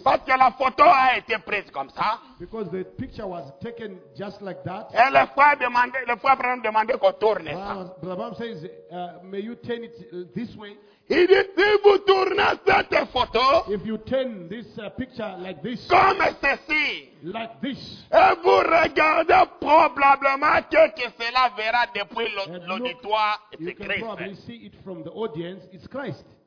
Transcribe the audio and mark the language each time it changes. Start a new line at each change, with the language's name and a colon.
French: Parce que la photo a été prise comme ça.
English: Because the picture was taken just like that.
French: Et le frère demandait, qu'on tourne ça.
English: Brother Bob says, may you turn it this way.
French: Il dit, si vous tournez cette photo.
English: If you turn this picture like this.
French: Comme ceci.
English: Like this.
French: Et vous regardez probablement que cela verra depuis l'auditoire, c'est Christ.
English: You can probably see it from the audience, it's Christ.